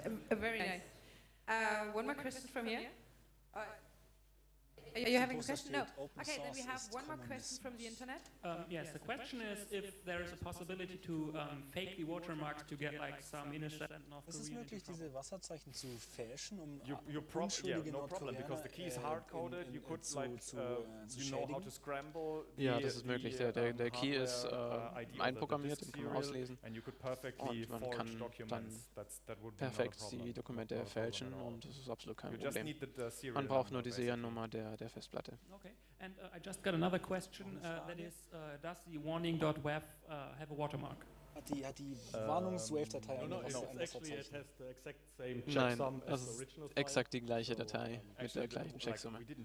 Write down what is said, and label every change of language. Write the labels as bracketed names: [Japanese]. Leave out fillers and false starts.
[English] Very nice. One more question from here. Are you having a question? No. Okay, then we have one more question from the internet. Yes, the question is if there is a possibility to fake the watermarks to get like some innocent North Korean. [German] Ist es möglich, diese Wasserzeichen zu fälschen, um [English] no problem, because the key is hard coded. You could you know how to scramble. [German] Ja, das ist möglich. Der Key ist einprogrammiert, den kann man auslesen. Und man kann dann perfekt die Dokumente fälschen und das ist absolut kein Problem. Man braucht nur die Seriennummer der Festplatte. [English] Okay, and I just got another question, that is, does the warning.wav have a watermark? [German] Hat die Warnungs-Wave-Datei eine Wasserzeichen? Nein, das ist exakt die gleiche Datei mit der gleichen Checksumme.